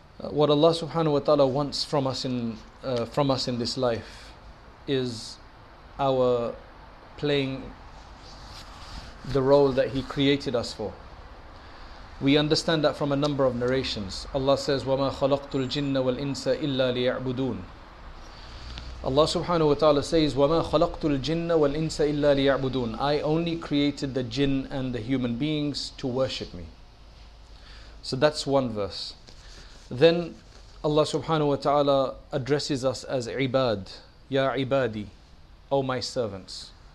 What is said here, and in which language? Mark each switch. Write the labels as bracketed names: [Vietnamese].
[English] What Allah subhanahu wa ta'ala wants from us in this life is our playing the role that He created us for. We understand that from a number of narrations. Allah says, [Arabic] وَمَا خَلَقْتُ الْجِنَّ وَالْإِنسَ إِلَّا لِيَعْبُدُونَ. [English] Allah subhanahu wa ta'ala says, [Arabic] وَمَا خَلَقْتُ الْجِنَّ وَالْإِنسَ إِلَّا لِيَعْبُدُونَ. [English] I only created the jinn and the human beings to worship me. So that's one verse. Then Allah subhanahu wa ta'ala addresses us as ibad. Ya ibadi, O my servants.